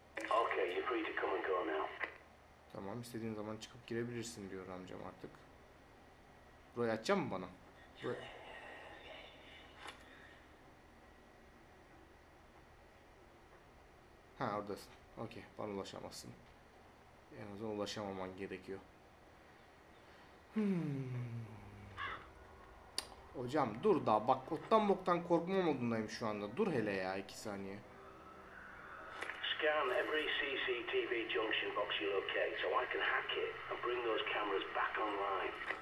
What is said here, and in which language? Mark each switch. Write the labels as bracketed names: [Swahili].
[English] Okay, you're free to come and go now. [Turkish] Tamam, istediğin zaman çıkıp girebilirsin diyor amcam artık. Burayı açacak mı bana? Ha, oradasın. Okey, bana ulaşamazsın. En azından ulaşamaman gerekiyor. Hocam dur da bak, ottan boktan korkma modundayım şu anda. Dur hele ya, 2 saniye. [English] Scan every CCTV junction box you locate so I can hack it and bring those cameras back online.